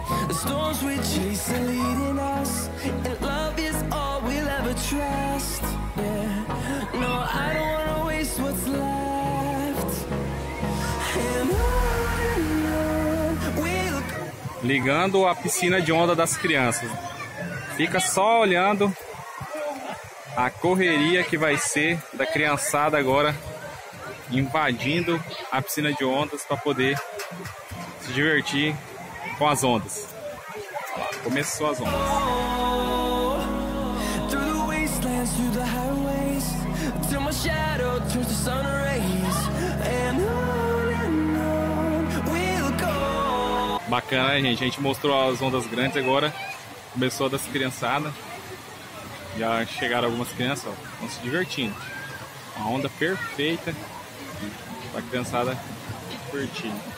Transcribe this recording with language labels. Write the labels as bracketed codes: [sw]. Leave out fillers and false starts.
[en] Storms we chase are leading us, and love is all we'll ever trust. Yeah, no, I don't wanna waste what's left. And on we'll go. [pt] Ligando a piscina de onda das crianças. Fica só olhando a correria que vai ser da criançada agora invadindo a piscina de ondas para poder se divertir com as ondas. Lá, começou as ondas. [en] Through the wastelands, through the highways, till my shadow turns to sun rays, and on we'll go. [pt] Bacana, né, gente? A gente mostrou as ondas grandes agora. Começou a dar essa criançada. Já chegaram algumas crianças, ó, estão se divertindo. Uma onda perfeita para a criançada curtir.